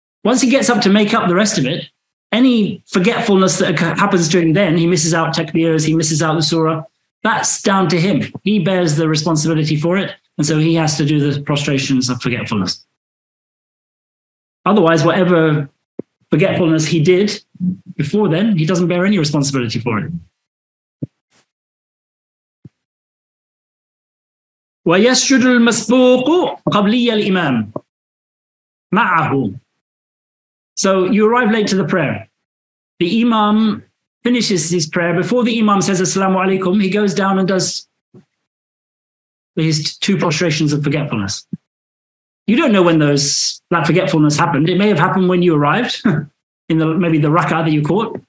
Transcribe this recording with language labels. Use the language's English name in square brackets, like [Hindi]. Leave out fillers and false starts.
[English] Once he gets up to make up the rest of it, any forgetfulness that happens to him then, he misses out takbirs, he misses out the surah, that's down to him. He bears the responsibility for it, and so he has to do the prostrations of forgetfulness. Otherwise, whatever forgetfulness he did before then, he doesn't bear any responsibility for it. [Arabic] ويسجد المسبوق قبلي الإمام معه. [English] So you arrive late to the prayer. The imam finishes his prayer. Before the imam says assalamu alaikum, he goes down and does his two prostrations of forgetfulness. You don't know when that forgetfulness happened. It may have happened when you arrived, in maybe the rak'ah that you caught.